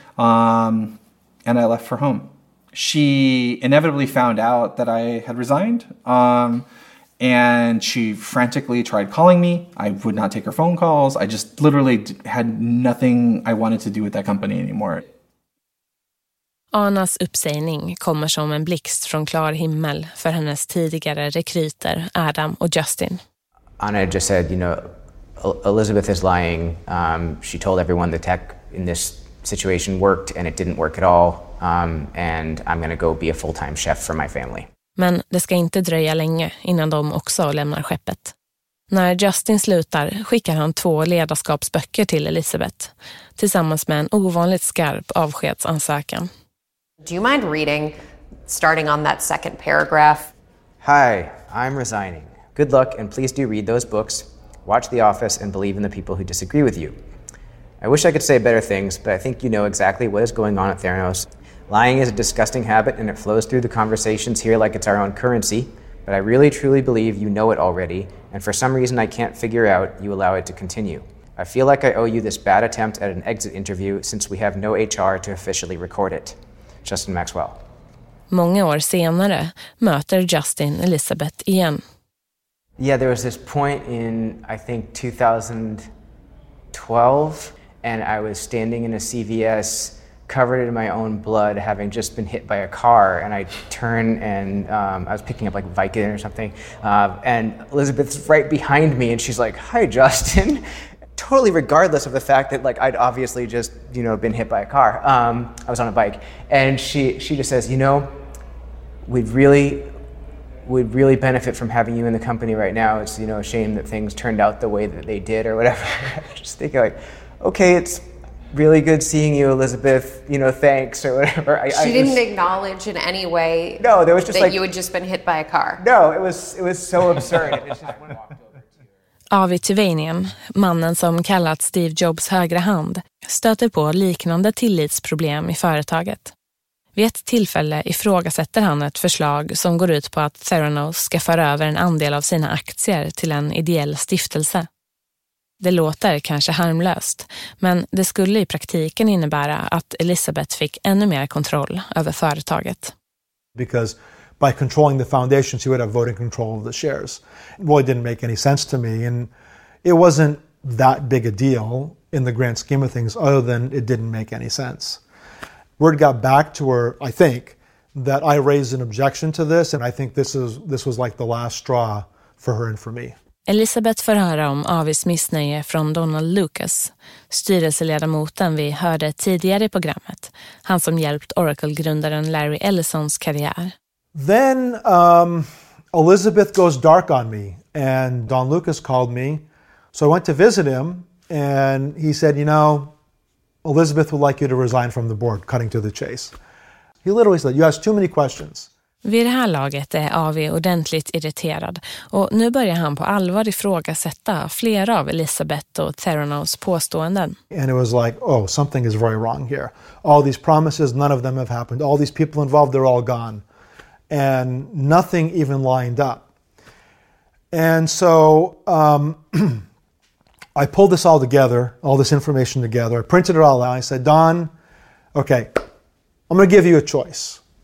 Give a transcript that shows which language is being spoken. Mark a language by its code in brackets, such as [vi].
[en] And I left for home. She inevitably found out that I had resigned. And she frantically tried calling me. I would not take her phone calls. I just literally had nothing I wanted to do with that company anymore. [sv] Anas uppsägning kommer som en blixt från klar himmel för hennes tidigare rekryter Adam och Justin. [en] Anna just said, you know, Elizabeth is lying. She told everyone the tech in this situation worked and it didn't work at all. And I'm going to go be a full-time chef for my family. [sv] Men det ska inte dröja länge innan de också lämnar skeppet. När Justin slutar skickar han två ledarskapsböcker till Elisabeth tillsammans med en ovanligt skarp avskedsansökan. [en] Do you mind reading, starting on that second paragraph? Hi, I'm resigning. Good luck, and please do read those books, watch The Office, and believe in the people who disagree with you. I wish I could say better things, but I think you know exactly what is going on at Theranos. Lying is a disgusting habit, and it flows through the conversations here like it's our own currency, but I really truly believe you know it already, and for some reason I can't figure out, you allow it to continue. I feel like I owe you this bad attempt at an exit interview, since we have no HR to officially record it. Justin Maxwell. [sv] Många år senare möter Justin Elisabeth igen. [en] Yeah, there was this point in, I think, 2012, and I was standing in a CVS covered in my own blood, having just been hit by a car, and I turn and I was picking up like Vicodin or something, and Elizabeth's right behind me, and she's like, hi, Justin, totally regardless of the fact that like I'd obviously just, you know, been hit by a car. I was on a bike, and she just says, you know, we'd really benefit from having you in the company right now. It's, you know, a shame that things turned out the way that they did or whatever. Just thinking like, okay, it's really good seeing you, Elizabeth, you know, thanks or whatever. She didn't acknowledge in any way. No, there was just that, like, you had just been hit by a car. No, it was so absurd. It's just one walk. [sv] Avi Tuvanian, mannen som kallat Steve Jobs högra hand, stöter på liknande tillitsproblem i företaget. Vid ett tillfälle ifrågasätter han ett förslag som går ut på att Theranos ska föra över en andel av sina aktier till en ideell stiftelse. Det låter kanske harmlöst, men det skulle i praktiken innebära att Elisabeth fick ännu mer kontroll över företaget. [en] Because by controlling the foundation, she would have voting control of the shares. It really didn't make any sense to me, and it wasn't that big a deal in the grand scheme of things, other than it didn't make any sense. Word got back to her, I think, that I raised an objection to this, and I think this was like the last straw for her and for me. [sv] Elisabeth får höra om Avis missnöje från Donald Lucas, styrelseledamoten vi hörde tidigare i programmet, han som hjälpt Oracle-grundaren Larry Ellisons karriär. [en] Then Elizabeth goes dark on me, and Don Lucas called me. So I went to visit him, and he said, you know, Elizabeth would like you to resign from the board, cutting to the chase. He literally said, you ask too many questions. [sv] Vid det här laget är AV ordentligt irriterad, och nu börjar han på allvar ifrågasätta flera av Elisabeth och Theranos påståenden. [en] And it was like, oh, something is very wrong here. All these promises, none of them have happened. All these people involved, they're all gone. And nothing even lined up. And so I pulled this all together, all this information together. I printed it all out. I said, Don, okay, I'm going to give you a choice.